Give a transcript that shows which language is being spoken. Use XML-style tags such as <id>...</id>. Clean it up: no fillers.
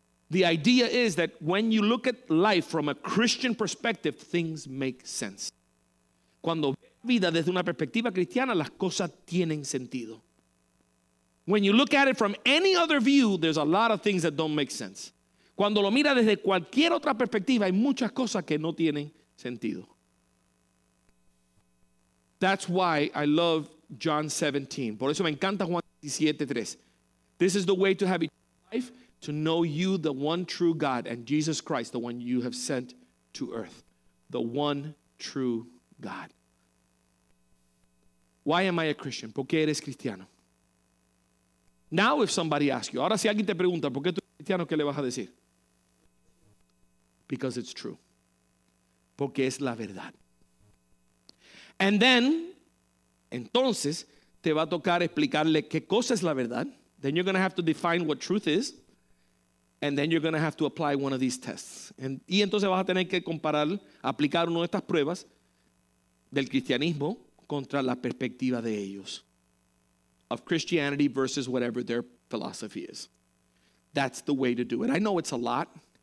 <en>The idea is that when you look at life from a Christian perspective, things make sense.</en> <es>Cuando ves vida desde una perspectiva cristiana, las cosas tienen sentido.</es> <en>When you look at it from any other view, there's a lot of things that don't make sense.</en> <es>Cuando lo mira desde cualquier otra perspectiva, hay muchas cosas que no tienen sentido.</es> <en>That's why I love John 17.</en> <es>Por eso me encanta Juan 17:3.</es> <en>This is the way to have eternal life, to know you, the one true God, and Jesus Christ, the one you have sent to earth. The one true God. Why am I a Christian?</en> <es>¿Por qué eres cristiano?</es> <en>Now if somebody asks you,</en> <es>ahora si alguien te pregunta, ¿por qué tú eres cristiano? ¿Qué le vas a decir?</es> <en>Because it's true.</en> <es>Porque es la verdad.</es> <en>And then,</en> <es>entonces, te va a tocar explicarle qué cosa es la verdad.</es> <en>Then you're going to have to define what truth is. And then you're going to have to apply one of these tests.</en> <es>Y entonces vas a tener que comparar, aplicar una de estas pruebas del cristianismo contra la perspectiva de ellos.</es> <en>Of Christianity versus whatever their philosophy is. That's the way to do it. I know it's a lot.</en>